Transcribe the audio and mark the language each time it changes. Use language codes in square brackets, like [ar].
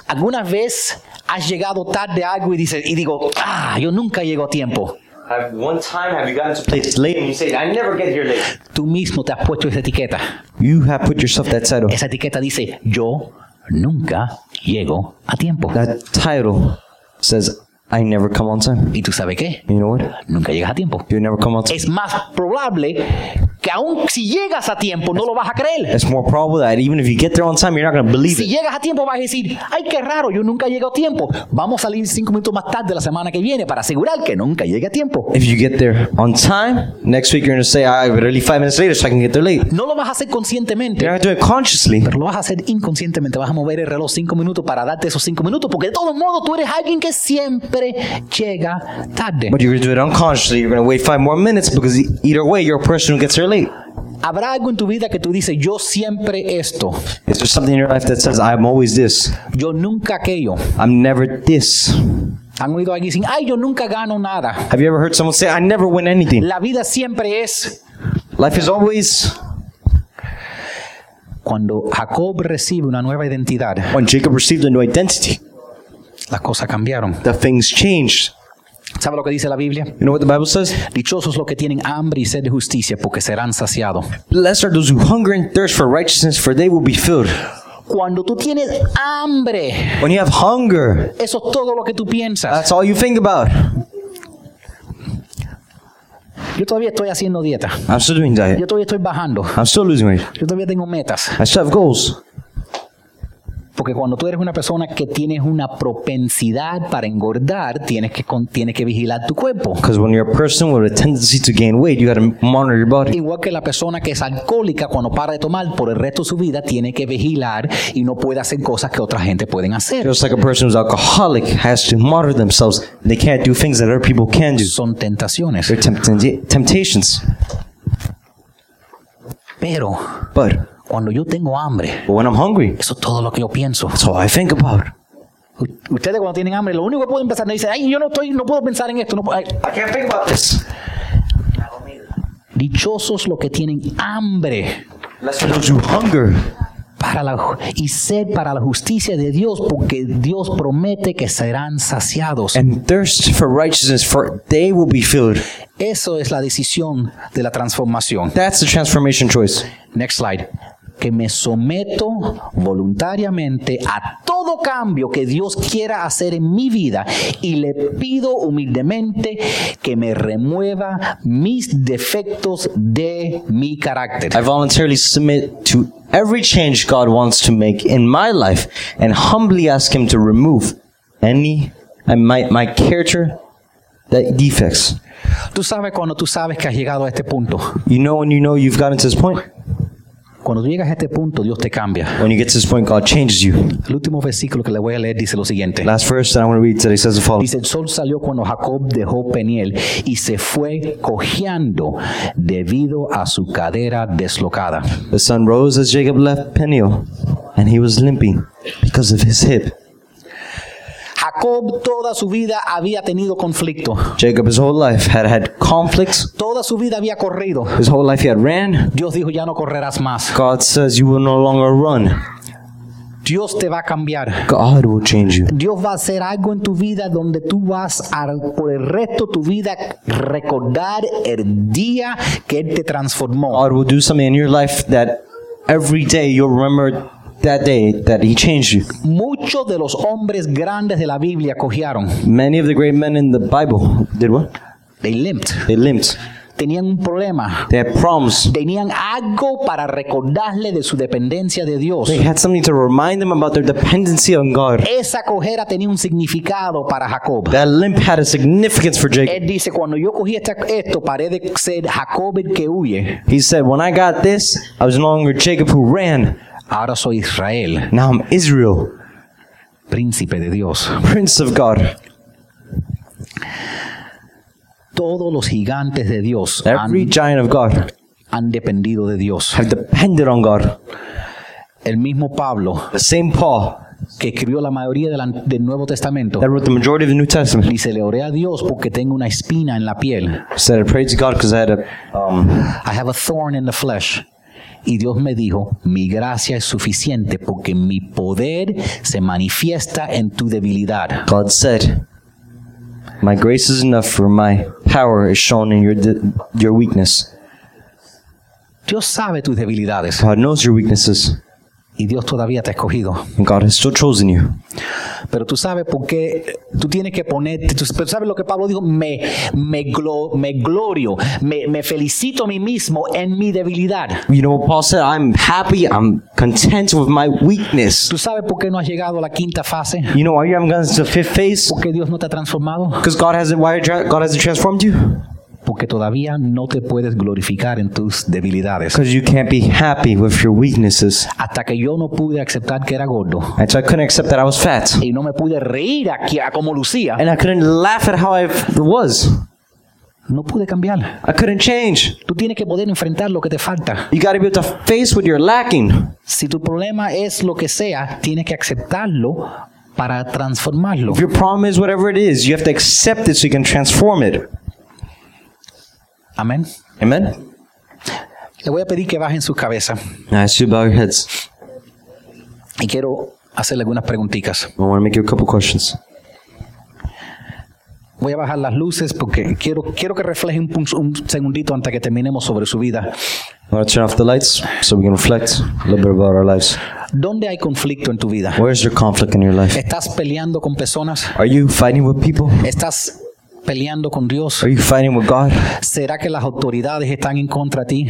[es] ¿Alguna vez has llegado tarde a algo y dices y digo ah yo nunca llego a tiempo? [en] One time have you gotten to place late and you say I never get here late. [es] Tú mismo te has puesto esa etiqueta. [en] You have put yourself that title. [es] Esa etiqueta dice yo nunca llego a tiempo. [en] That title says I never come on time. [es] ¿Y tú sabes qué? [en] You know what? [es] Nunca llegas a tiempo. [en] You never come on time. [es] Es más probable que aun si llegas a tiempo no lo vas a creer. [en] It's more probable that even if you get there on time you're not going to believe it. [es] Si llegas a tiempo vas a decir, ay qué raro, yo nunca llego a tiempo. Vamos a salir 5 minutos más tarde la semana que viene para asegurar que nunca llegue a tiempo. [en] If you get there on time, next week you're going to say, I really 5 minutes later so I can get there late. [es] No lo vas a hacer conscientemente. [en] You're not going to do it consciously. [es] Pero lo vas a hacer inconscientemente. Vas a mover el reloj 5 minutos para darte esos 5 minutos porque de todos modos tú eres alguien que siempre llega tarde. [en] But you're going to do it unconsciously. You're going to wait 5 more minutes because either way you're a person who gets there. [es] ¿Habrá algo en tu vida que tú dices yo siempre esto? [en] Is there something in your life that says I'm always this? [es] Yo nunca aquello. [en] I'm never this. [es] ¿Han oído alguien decir ay yo nunca gano nada? [en] Have you ever heard someone say I never win anything? [es] La vida siempre es. [en] Life is always. [es] Cuando Jacob recibe una nueva identidad. [en] When Jacob received a new identity. [es] Las cosas cambiaron. [en] The things changed. [es] ¿Sabe lo que dice la Biblia? [en] You know what the Bible says? [es] Dichosos los que tienen hambre y sed de justicia, porque serán saciados. [en] Blessed are those who hunger and thirst for righteousness, for they will be filled. [es] Cuando tú tienes hambre. [en] When you have hunger. [es] Eso es todo lo que tú piensas. [en] That's all you think about. [es] Yo todavía estoy haciendo dieta. [en] I'm still doing diet. [es] Yo todavía estoy bajando. [en] I'm still losing weight. [es] Yo todavía tengo metas. [en] I still have goals. [es] Porque cuando tú eres una persona que tienes una propensidad para engordar, tienes que vigilar tu cuerpo. [en] Because when you're a person with a tendency to gain weight, you got to monitor your body. [es] Igual que la persona que es alcohólica, cuando para de tomar por el resto de su vida, tiene que vigilar y no puede hacer cosas que otra gente pueden hacer. [en] Just like a person who's alcoholic has to monitor themselves. They can't do things that other people can do. [es] Son tentaciones. [en] They're temptations. [es] Pero, [en] but [es] cuando yo tengo hambre, [en] when I'm hungry, [es] eso es todo lo que yo pienso. [en] That's all I think about. [es] Ustedes cuando tienen hambre, lo único que pueden pensar es, ay, yo no puedo pensar en esto. [en] I can't think about this. [es] Dichosos los que tienen hambre. [en] Let's those who hunger. [es] Y sed para la justicia de Dios, porque Dios promete que serán saciados. [en] And thirst for righteousness, for they will be filled. [es] Eso es la decisión de la transformación. [en] That's the transformation choice. Next slide. [es] Que me someto voluntariamente a todo cambio que Dios quiera hacer en mi vida, y le pido humildemente que me remueva mis defectos de mi carácter. [en] I voluntarily submit to every change God wants to make in my life, and humbly ask Him to remove any and my character that defects. [es] Tú sabes cuando tú sabes que has llegado a este punto. [en] You know when you know you've gotten to this point. [es] Cuando llegas a este punto, Dios te cambia. [en] When you get to this point, God changes you. [es] El último versículo que le voy a leer dice lo siguiente. [en] Last verse that I want to read today says the following. [es] Dice, el sol salió cuando Jacob dejó Peniel y se fue cojeando debido a su cadera deslocada. [en] The sun rose as Jacob left Peniel, and he was limping because of his hip. [es] Jacob toda su vida había tenido conflicto. [en] Jacob his whole life had had conflicts. [es] Toda su vida había corrido. [en] His whole life he had ran. [es] Dios dijo, ya no correrás más. [en] God says you will no longer run. [es] Dios te va a cambiar. [en] God will change you. [es] Dios va a hacer algo en tu vida donde tú vas a, por el resto de tu vida, recordar el día que Él te transformó. [en] God will do something in your life that every day you'll remember that day that he changed you. [es] Muchos de los hombres grandes de la Biblia cojearon. [en] Many of the great men in the Bible did what? They limped. [es] Tenían un problema. [en] They had problems. [es] Tenían algo para recordarle de su dependencia de Dios. [en] They had something to remind them about their dependency on God. [es] Esa cojera tenía un significado para Jacob. [en] That limp had a significance for Jacob. [es] Él dice, cuando yo cogí esto, paré de ser Jacob el que huye. [en] He said, when I got this, I was no longer Jacob who ran. [es] Ahora soy Israel. [en] Now I'm Israel. [es] Príncipe de Dios. [en] Prince of God. [es] Todos los gigantes de Dios. [en] Every giant of God. [es] Han dependido de Dios. [en] Have depended on God. [es] El mismo Pablo. [en] The same Paul. [es] Que escribió la mayoría del Nuevo Testamento. [en] That wrote the majority of the New Testament. [es] Dice, le oré a Dios porque tengo una espina en la piel. [en] Said, I prayed to God because I had a... I have a thorn in the flesh. [es] Y Dios me dijo, mi gracia es suficiente porque mi poder se manifiesta en tu debilidad. [en] God said, my grace is enough for my power is shown in your weakness. [es] Dios sabe tus debilidades. [en] God knows your weaknesses. [es] Y Dios todavía te ha escogido. [en] And God has still chosen you. [es] Pero tú sabes por qué tú tienes que ponerte, pero sabes lo que Pablo dijo, me glorio, me felicito a mí mismo en mi debilidad. [en] You know what Paul said, I'm happy, I'm content with my weakness. [es] ¿Tú sabes por qué no has llegado a la quinta fase? [en] You know why you haven't gone to the fifth phase? [es] Porque Dios no te ha transformado. [en] Because God hasn't transformed you. [es] Porque todavía no te puedes glorificar en tus debilidades. [en] Because you can't be happy with your weaknesses. [es] Hasta que yo no pude aceptar que era gordo. [en] Until I couldn't accept that I was fat. [es] Y no me pude reír aquí a como lucía. [en] And I couldn't laugh at how I was. [es] No pude cambiar. [en] I couldn't change. [es] Tú tienes que poder enfrentar lo que te falta. [en] You got to be able to face what you're lacking. [es] Si tu problema es lo que sea, tienes que aceptarlo para transformarlo. [en] If your problem is whatever it is, you have to accept it so you can transform it. [es] Amen. [en] Amen. [es] Le voy a pedir que bajen sus cabezas. [en] I ask you to bow your heads. [es] Y quiero hacerle algunas preguntitas. [en] I want to make you a couple questions. [es] Voy a bajar las luces porque quiero que refleje un segundito antes que terminemos sobre su vida. [en] I want to turn off the lights so we can reflect a little bit about our lives. [es] ¿Dónde hay conflicto en tu vida? [en] Where is your conflict in your life? [es] ¿Estás peleando con personas? [en] Are you fighting with people? [es] ¿Estás peleando con Dios? [en] Are you fighting with God? [es] ¿Será que las autoridades están en contra de ti?